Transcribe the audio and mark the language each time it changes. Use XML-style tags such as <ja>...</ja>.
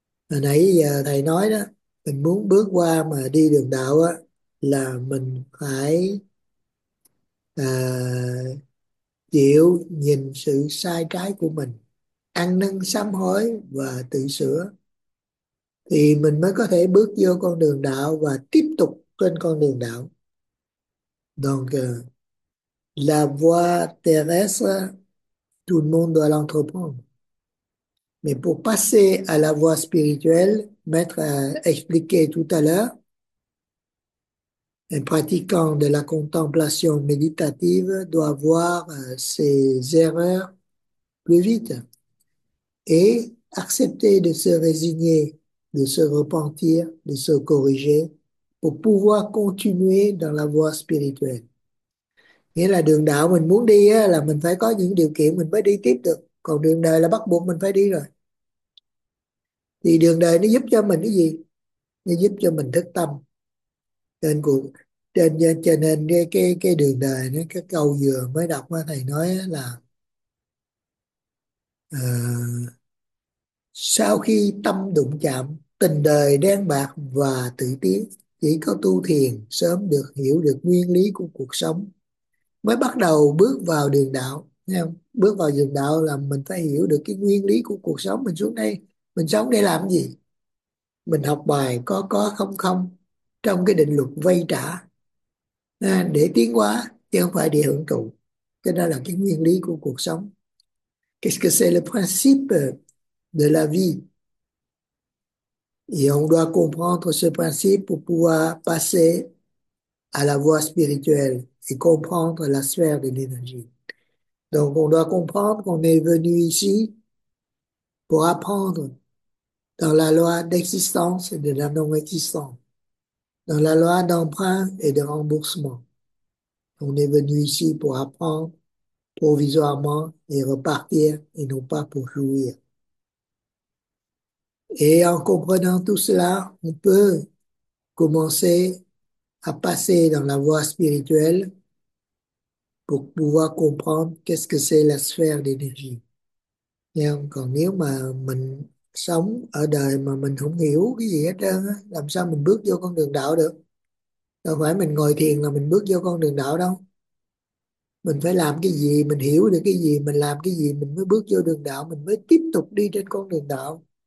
<vi>Hồi nãy giờ thầy nói đó, mình muốn bước qua mà đi đường đạo á là mình phải chịu nhìn sự sai trái của mình, ăn năn sám hối và tự sửa thì mình mới có thể bước vô con đường đạo và tiếp tục trên con đường đạo.</vi> <fr>Donc, la voie terrestre, tout le monde doit l'entreprendre. Mais pour passer à la voie spirituelle, Maître a expliqué tout à l'heure, un pratiquant de la contemplation méditative doit voir ses erreurs plus vite et accepter de se résigner, de se repentir, de se corriger, pour pouvoir continuer dans la voie spirituelle.</fr> <vi>Nghĩa là đường đạo mình muốn đi á, là mình phải có những điều kiện mình mới đi tiếp được. Còn đường đời là bắt buộc mình phải đi rồi. Thì đường đời nó giúp cho mình cái gì? Nó giúp cho mình thức tâm. Nên cho nên cái đường đời, cái câu vừa mới đọc á, thầy nói á, là sau khi tâm đụng chạm, tình đời đen bạc và tự tiến. Chỉ có tu thiền sớm được hiểu được nguyên lý của cuộc sống mới bắt đầu bước vào đường đạo. Nghe không? Bước vào đường đạo là mình phải hiểu được cái nguyên lý của cuộc sống. Mình xuống đây, mình sống để làm gì? Mình học bài có không không trong cái định luật vay trả để tiến hóa chứ không phải để hưởng thụ. Cái đó là cái nguyên lý của cuộc sống.</vi> <fr>Qu'est-ce que c'est le principe de la vie? Et on doit comprendre ce principe pour pouvoir passer à la voie spirituelle et comprendre la sphère de l'énergie. Donc, on doit comprendre qu'on est venu ici pour apprendre dans la loi d'existence et de la non-existence, dans la loi d'emprunt et de remboursement. On est venu ici pour apprendre provisoirement et repartir et non pas pour jouir. Et en comprenant tout cela, on peut commencer à passer dans la voie spirituelle pour pouvoir comprendre qu'est-ce que c'est la sphère d'énergie.</fr> <vi>Còn nếu mà mình sống ở đời mà mình không hiểu cái gì hết trơn, làm sao mình bước vô con đường đạo được? Đâu phải mình ngồi thiền là mình bước vô con đường đạo đâu. Mình phải làm cái gì, mình hiểu được cái gì, mình làm cái gì, mình mới bước vô đường đạo, mình mới tiếp tục đi trên con đường đạo.</vi>